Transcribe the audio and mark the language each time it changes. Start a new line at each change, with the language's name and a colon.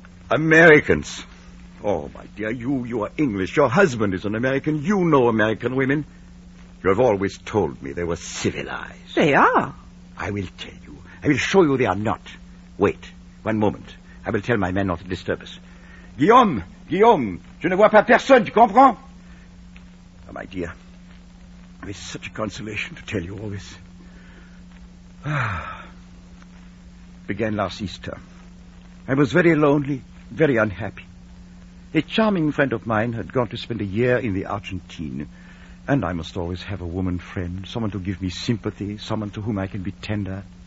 English: Americans. Oh, my dear, you are English. Your husband is an American. You know American women. You have always told me they were civilized. They are. I will tell you. I will show you they are not. Wait. One moment. I will tell my men not to disturb us.
French: Guillaume, Guillaume, je ne vois pas personne, tu comprends?
English: Oh, my dear. It's such a consolation to tell you all this. Began last Easter. I was very lonely, very unhappy. A charming friend of mine had gone to spend a year in the Argentine, and I must always have a woman friend, someone to give me sympathy, someone to whom I can be tender.